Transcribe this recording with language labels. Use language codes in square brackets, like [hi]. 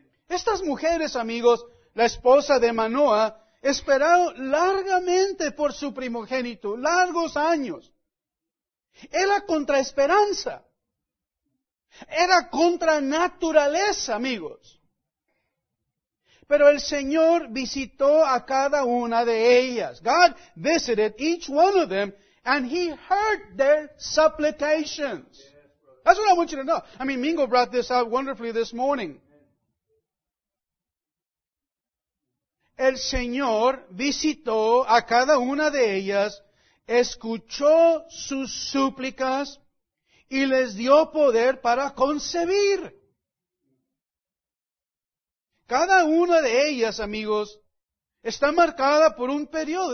[es] Estas mujeres, amigos, la esposa de Manoah, esperaron largamente por su primogénito, largos años. Era contra esperanza. Era contra naturaleza, amigos. Pero el Señor visitó a cada una de ellas. [en] God visited each one of them, and He heard their supplications. That's what I want you to know. I mean, Mingo brought this out wonderfully this morning. [es] El Señor visitó a cada una de ellas, escuchó sus súplicas, y les dio poder para concebir. Cada una de ellas, amigos, está marcada por un periodo.